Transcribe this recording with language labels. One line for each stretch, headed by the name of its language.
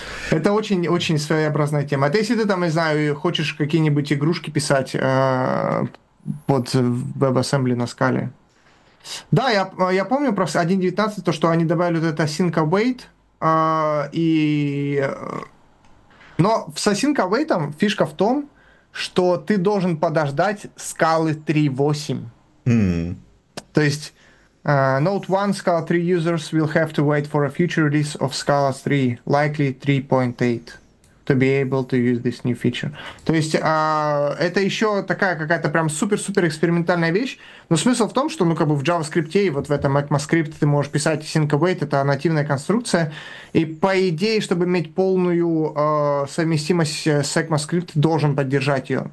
Russian: Это очень-очень своеобразная тема. Это если ты там, не знаю, хочешь какие-нибудь игрушки писать под WebAssembly на скале. Да, я помню про 1.19, то, что они добавили вот это Async Await, и... Но с Async Await фишка в том, что ты должен подождать скалы 3.8. Mm. То есть
English: Note 1, Scala 3 users will have to wait for a future release of Scala 3, likely 3.8, to be able to use this new feature.
Russian: То есть это еще такая какая-то прям супер-супер экспериментальная вещь, но смысл в том, что ну как бы в JavaScript и вот в этом ECMAScript ты можешь писать Async Await, это нативная конструкция, и по идее, чтобы иметь полную совместимость с ECMAScript, должен поддержать ее.